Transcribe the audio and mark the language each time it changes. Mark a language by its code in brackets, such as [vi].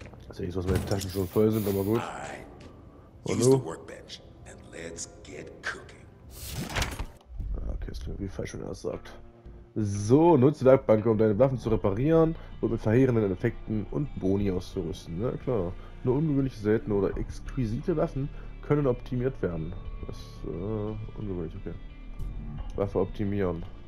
[de] Ich sehe, dass meine Taschen schon voll sind, aber gut. Hallo. [en] Use the workbench and let's get cooking. [de] Wie falsch man das sagt. So, nutze die Werkbank, um deine Waffen zu reparieren und mit verheerenden Effekten und Boni auszurüsten. Na klar. Nur ungewöhnliche, seltene oder exquisite Waffen können optimiert werden. Das ist ungewöhnlich, okay. Waffe optimieren.